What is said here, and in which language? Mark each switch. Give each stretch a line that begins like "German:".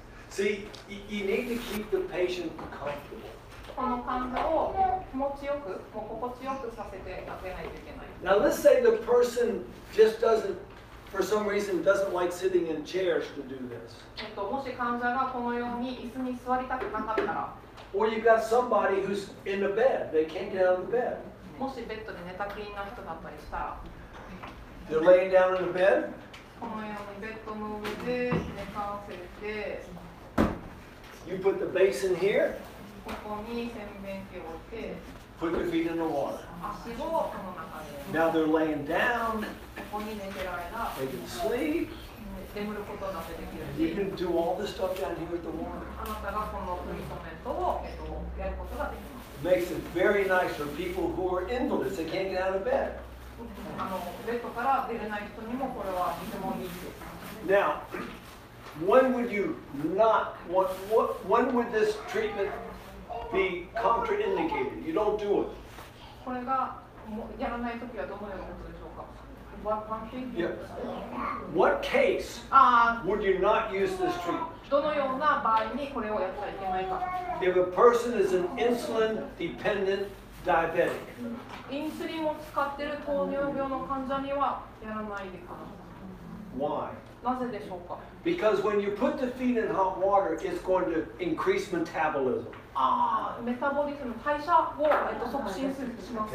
English: See, you need to keep the patient comfortable. Now let's say the person just doesn't, for some reason, doesn't like sitting in chairs to do this. Or you've got somebody who's in the bed. They can't get out of the bed.
Japanese: もしベッドで寝たきりな人だったりしたら、
English: they're laying down in the bed.
Japanese: このようにベッドの上で寝かせて、
English: you put the basin here.
Japanese: ここに洗面器を置いて、
English: put your feet in the water.
Japanese: 足をこの中で。
English: Now they're laying down.
Japanese: ここに寝てる間、
English: they can sleep.
Japanese: 眠ることができる。
English: You can do all the stuff down here at the water.
Japanese: あなたがこのトリートメントをやることができます。
English: Makes it very nice for people who are invalids. They can't get out of bed.
Japanese: あのベッドから出れない人にもこれはとてもいいです。
English: Now, when would you not want, when would this treatment be contraindicated? You don't do it.
Japanese: これがやらないときはどのようなことでしょうか。
English: What case would you not use this treatment? If a person is an insulin dependent diabetic,
Japanese: insulin を使ってる糖尿病の患者にはやらないでください。
English: Why?
Japanese: なぜでしょうか?
English: Because when you put the feet in hot water, it's going to increase metabolism.
Japanese: メタボリズム、代謝を促進するします。